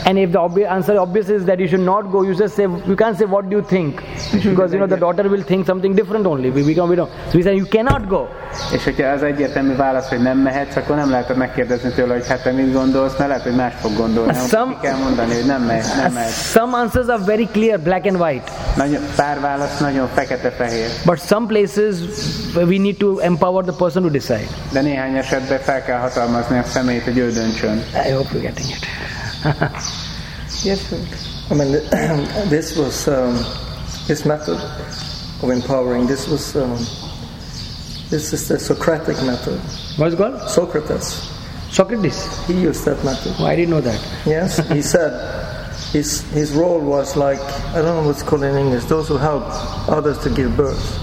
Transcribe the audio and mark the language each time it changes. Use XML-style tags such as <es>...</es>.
<en>And if the answer obvious is that you should not go, you just say, you can't say, what do you think? Because, you know, the daughter will think something different only. So we say, you cannot go.</en> <hu>És hogyha az egyértelmű válasz, hogy nem mehetsz, akkor nem lehet megkérdezni tőle, hogy hát te mit gondolsz, mert lehet, hogy más fog gondolni. Some, ki kell mondani, hogy nem mehetsz.</hu> <en>Some answers are very clear, black and white.</en> <hu>Pár válasz nagyon fekete-fehér.</hu> <en>But some places, we need to empower the person to decide.</en> <hu>De néhány esetben fel kell hatalmazni a személyt, hogy ő döntsön.</hu> <en>I hope you're getting it. Yes, sir. I mean, this was his method of empowering. This was this is the Socratic method. What is it called? Socrates. Socrates. He used that method. Oh, I didn't know that. Yes, he said his role was like, I don't know what's called in English, those who help others to give birth.</en>